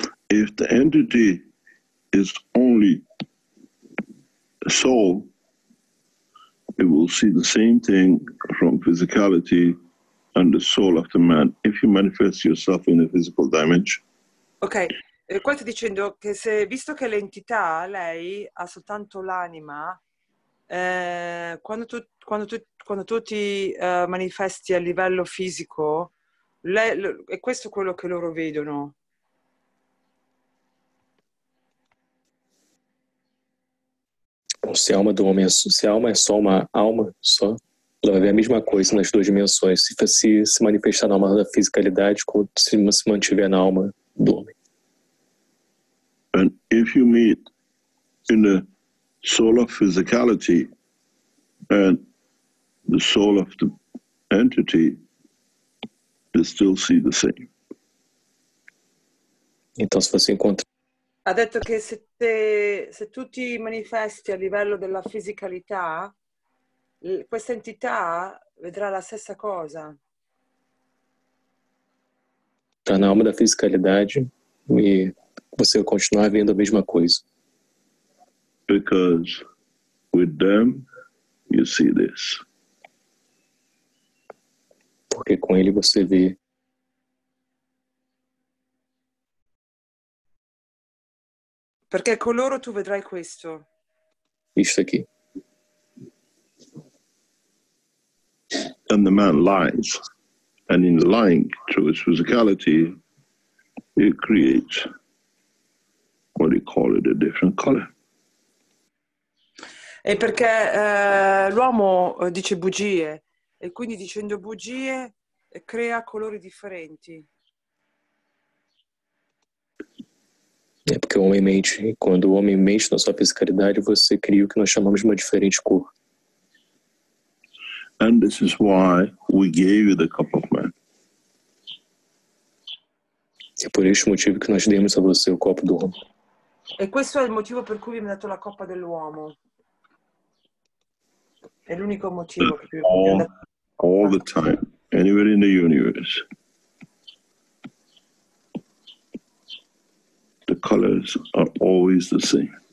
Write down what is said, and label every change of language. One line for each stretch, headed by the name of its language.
English: If the entity is only a soul, it will see the same thing from physicality and the soul of the man. If you manifest yourself in a physical dimension.
Italian: Ok, qua sto dicendo che se, visto che l'entità, lei, ha soltanto l'anima, quando tu ti manifesti a livello fisico, lei, è questo quello che loro vedono.
Portuguese: Se a alma do homem, se a alma é só uma alma, só, Ela vai ver a mesma coisa nas duas dimensões, se manifestar na alma da fisicalidade como se mantiver na alma do homem.
English: And if you meet in the soul of physicality and the soul of the entity, they still see the same.
Portuguese: Então, se você encontra...
Italian: Ha detto che se tu ti manifesti a livello della fisicalità, questa entità vedrà la stessa cosa.
Portuguese: Tá na alma da fisicalidade e você continuar vendo a mesma coisa.
English: Because with them you see this.
Portuguese: Porque com ele você vê.
Italian: Perché con loro tu vedrai questo.
Portuguese: Isto aqui.
English: And the man lies, and in lying through his physicality, it creates what he calls it a different color.
Italian: E perché l'uomo dice bugie, e quindi dicendo bugie crea colori differenti.
Portuguese: É porque o homem mente, e quando o homem mente na sua fisicalidade, você cria o que nós chamamos de uma diferente cor.
English: And this is why we gave you the cup of man.
Portuguese: É por este motivo que nós demos a você o copo do homem.
Italian: E questo è il motivo per cui vi ho dato la coppa dell'uomo. È l'unico motivo per cui vi ho dato la coppa.
English: All the time, anywhere in the universe. The colors are always the same.